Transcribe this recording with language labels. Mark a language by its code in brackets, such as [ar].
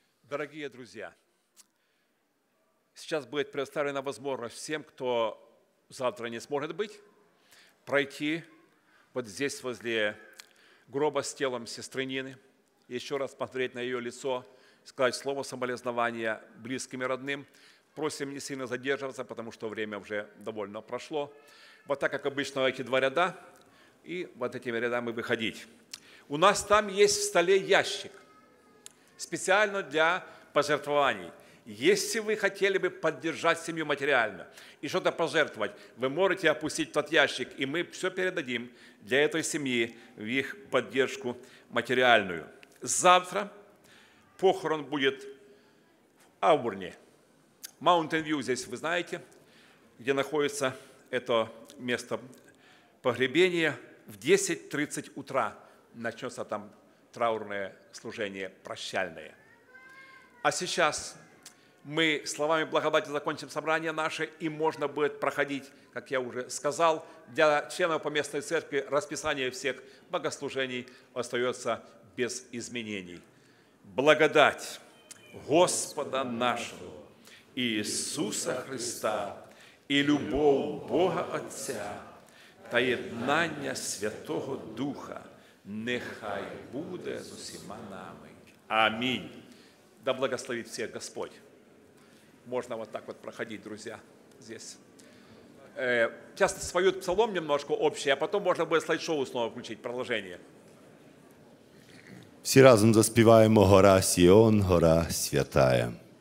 [uk] Дорогі друзі, зараз буде представлена можливість всім, хто завтра не зможе бути, пройти от тут, [ru] возле гроба [uk] з тілом сестри Ніни, і ще раз подивитися на її лице, сказати слово соболезнування близьким і родним. Просим не сильно задержуватися, тому що час вже доволі пройшло. [ru] Вот так, как обычно, эти два ряда, и вот этими рядами выходить. У нас там есть в столе ящик, специально для пожертвований. Если вы хотели бы поддержать семью материально и что-то пожертвовать, вы можете опустить тот ящик, и мы все передадим для этой семьи в их поддержку материальную. Завтра похорон будет в Аурне. Mountain View здесь, вы знаете, где находится это место погребения, в 10:30 утра начнется там траурное служение прощальное. А сейчас мы словами благодати закончим собрание наше, и можно будет проходить, как я уже сказал, для членов поместной церкви расписание всех богослужений остается без изменений. Благодать Господа нашего, Иисуса Христа, [uk] и любов Бога Отця, та єднання Святого Духа, нехай буде з усіма нами. Амінь. [ru] Да благословить всех Господь. Можно вот так вот проходить, друзья, здесь. Сейчас свою псалом немножко общий, а потом можно будет слайд-шоу снова включить, продолжение. [uk] Всі разом заспіваємо «Гора Сіон, гора святая».